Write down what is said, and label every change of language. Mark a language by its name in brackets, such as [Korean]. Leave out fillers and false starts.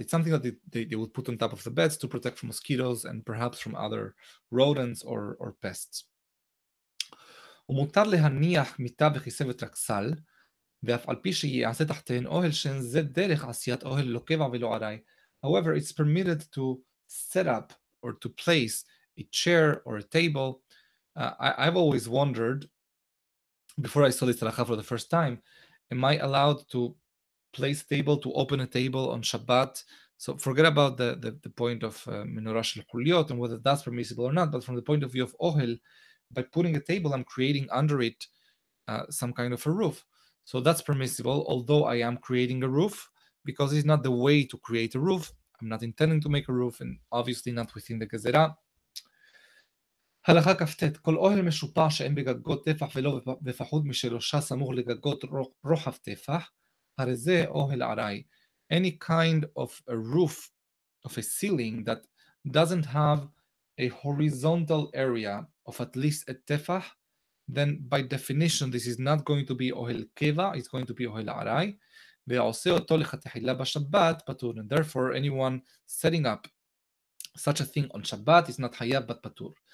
[English] It's something that they would put on top of the beds to protect from mosquitoes and perhaps from other rodents or pests. [Hebrew] ומותר להניח מיטה וכיסא וטרקסל, ואף על פי שיעשה תחתיהן אוהל, שאין זה דרך עשיית אוהל לא קבע ולא ארעי. [English] However, it's permitted to set up or to place a chair or a table. I've always wondered, before I saw this halakha for the first time, am I allowed to place a table, to open a table on Shabbat? So forget about the point of menorah shel chuliot and whether that's permissible or not, but from the point of view of ohel, by putting a table, I'm creating under it some kind of a roof. So that's permissible, although I am creating a roof, because it's not the way to create a roof. I'm not intending to make a roof, and obviously not within the gezera. [Hebrew] הלכה כפתת, כל אוהל משופע שאין בגגות טפח ולא בפחות משלושה סמוך לגגות רוחב טפח, הרי זה אוהל ערי. [English] Any kind of a roof, of a ceiling that doesn't have a horizontal area of at least a tefach, then by definition this is not going to be ohel keva, it's going to be ohel arai. [Hebrew] Ve'aseh oto lechatechila b'Shabbat patur. [English] And therefore anyone setting up such a thing on Shabbat is not hayav bat patur.